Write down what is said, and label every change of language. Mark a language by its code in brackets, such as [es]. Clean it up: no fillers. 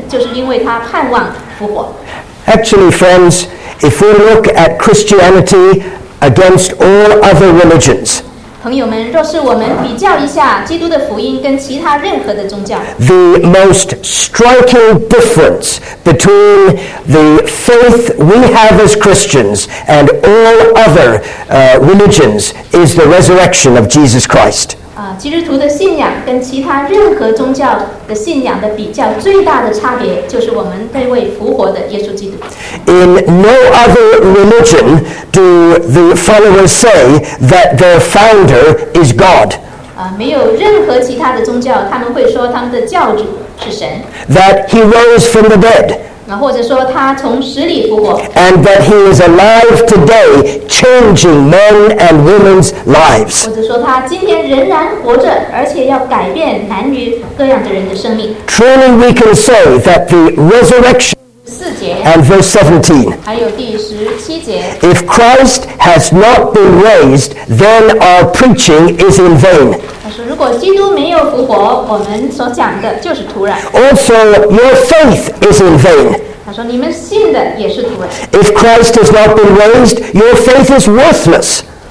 [en] Actually, friends, if we look at Christianity against all other religions, the most striking difference between the faith we have as Christians and all other religions is the resurrection of Jesus Christ. [zh] 基督徒的信仰跟其他任何宗教的信仰的比较最大的差别就是我们那位复活的耶稣基督 [en] In no other religion do the followers say that their founder is God [zh] 没有任何其他的宗教他们会说他们的教主是神 [en] That he rose from the dead [zh] 或者说他从死里复活 [en] And that he is alive today changing men and women's lives [zh] 或者说他今天仍然活着而且要改变男女各样的人的生命 [en] Truly we can say that the resurrection [zh] 四节 [en] and verse 17 [zh] 还有第十七节 [en] If Christ has not been raised then our preaching is in vain [zh] 如果基督没有复活我们所讲的就是徒然 [en] Also your faith is in vain If Christ has not been raised, your faith is worthless.